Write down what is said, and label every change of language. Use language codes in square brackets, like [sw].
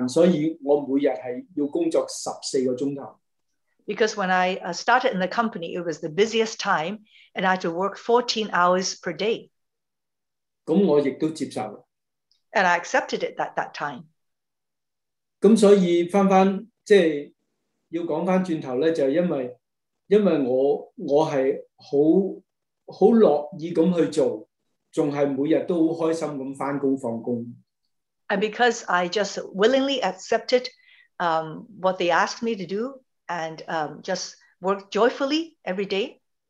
[zh] 因為我們初初去到的時候,因為是我們公司最忙碌的時間,所以我每天要工作14個小時。 [en] Because when I started in the company, it was the busiest time, and I had to work 14 hours per day. [zh] 我亦都接受了。And [en] I accepted it at that time. [zh] 所以回到要講回頭,就是因為我是很樂意地去做,還是每天都很開心地上班上班。And [en] because I just willingly accepted what they asked me to do, and just work joyfully every day.